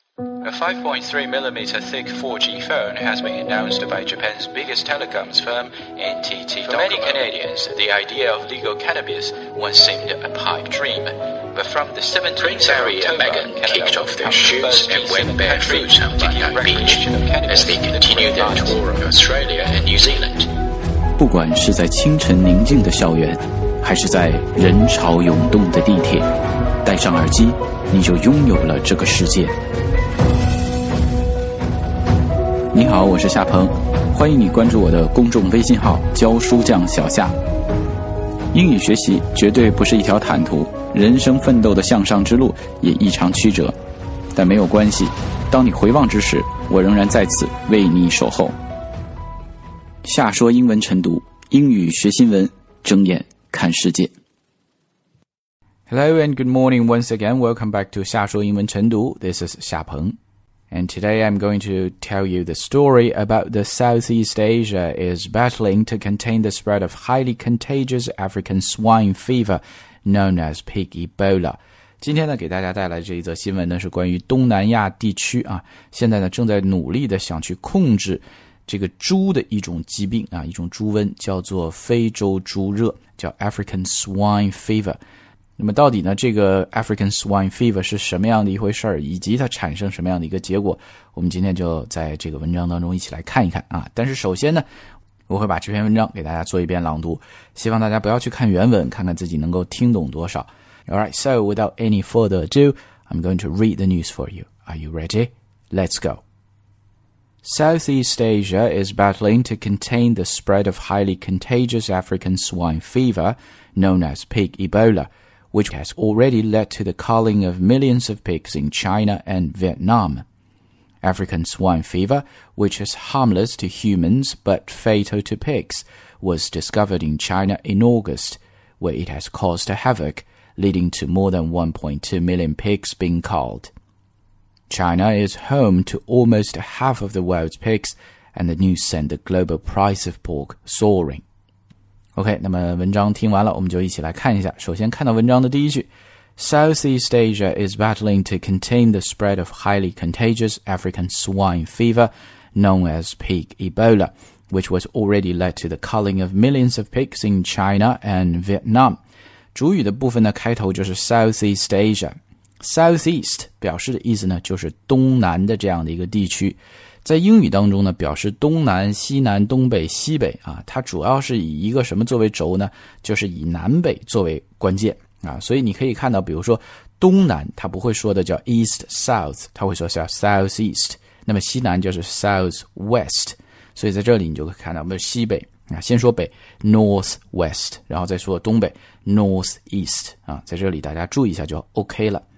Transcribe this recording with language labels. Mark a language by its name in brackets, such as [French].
[English] A 5.3 millimeter thick 4G phone has been announced by Japan's biggest telecoms firm, NTT Docomo. For many Canadians, the idea of legal cannabis once seemed a pipe dream. But from the 17th of October, Megan kicked off their shoes and went barefoot on Bunyan Beach as they continued their tour of Australia and New Zealand. [Chinese] 不管是在清晨宁静的校园，还是在人潮涌动的地铁，戴上耳机，你就拥有了这个世界。你好，我是夏鹏，欢迎你关注我的公众微信号教书匠小夏。英语学习绝对不是一条坦途，人生奋斗的向上之路也异常曲折，但没有关系，当你回望之时，我仍然在此为你守候。夏说英文晨读，英语学新闻，睁眼看世界。 [English] Hello and good morning once again. Welcome back to 夏说英文晨读。 This is 夏鹏。 And today I'm going to tell you the story about the Southeast Asia is battling to contain the spread of highly contagious African swine fever known as pig Ebola. [Chinese] 今天呢给大家带来这一则新闻呢是关于东南亚地区啊现在呢正在努力的想去控制这个猪的一种疾病啊一种猪瘟叫做非洲猪热叫 African swine fever。那么到底呢这个 African Swine Fever 是什么样的一回事儿以及它产生什么样的一个结果我们今天就在这个文章当中一起来看一看啊。但是首先呢我会把这篇文章给大家做一遍朗读希望大家不要去看原文看看自己能够听懂多少。 [English] Alright, so without any further ado, I'm going to read the news for you. Are you ready? Let's go. Southeast Asia is battling to contain the spread of highly contagious African Swine Fever, known as pig Ebola,which has already led to the culling of millions of pigs in China and Vietnam. African swine fever, which is harmless to humans but fatal to pigs, was discovered in China in August, where it has caused a havoc, leading to more than 1.2 million pigs being culled. China is home to almost half of the world's pigs, and the news sent the global price of pork soaring. [Chinese] OK, 那么文章听完了我们就一起来看一下。首先看到文章的第一句 [English] Southeast Asia is battling to contain the spread of highly contagious African swine fever known as pig Ebola, which was already led to the culling of millions of pigs in China and Vietnam. [Chinese] 主语的部分呢开头就是 Southeast Asia. Southeast 表示的意思呢就是东南的这样的一个地区。在英语当中呢表示东南西南东北西北啊它主要是以一个什么作为轴呢就是以南北作为关键啊所以你可以看到比如说东南它不会说的叫 east south, 它会说叫 south east, 那么西南就是 south west, 所以在这里你就会看到我们西北啊先说北 north west, 然后再说东北 north east, 啊在这里大家注意一下就 OK 了。